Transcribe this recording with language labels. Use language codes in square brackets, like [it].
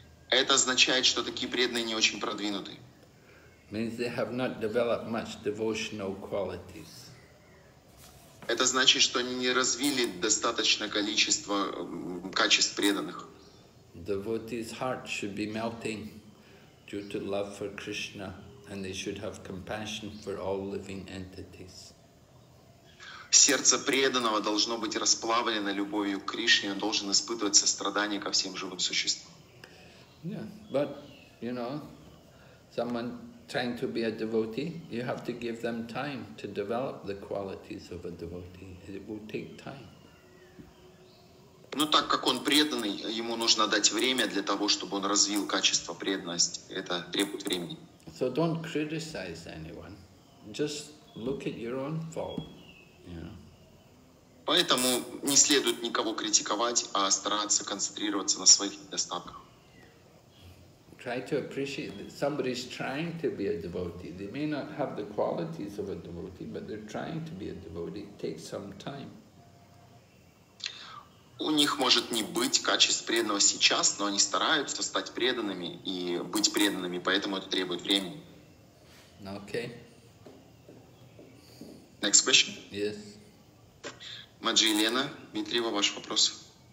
[ru] Это означает, что такие преданные не очень продвинуты. [en] Means they have not developed much devotional qualities. [ru] Это значит, что они не развили достаточно количество качеств преданных. [en] Devotee's heart should be melting due to love for Krishna, and they should have compassion for all living entities. [ru] Сердце преданного должно быть расплавлено любовью к Кришне, он должен испытывать сострадание ко всем живым существам. [en] Yeah, but you know, someone trying to be a devotee, you have to give them time to develop the qualities of a devotee. It will take time. [ru] Но так как он преданный, ему нужно дать время для того, чтобы он развил качество преданности. Это требует времени. [en] So don't criticize anyone. Just look at your own fault. You know? [ru] Поэтому не следует никого критиковать, а стараться концентрироваться на своих недостатках. [en] Try to appreciate that somebody is trying to be a devotee. They may not have the qualities of a devotee, but they're trying to be a devotee. It takes some time. [ru] У них может не быть качеств преданного сейчас, но они стараются стать преданными и быть преданными, поэтому это требует времени. [en] Okay. Next question. Yes. [ru] Маджи Елена, Дмитриева, ваш вопрос.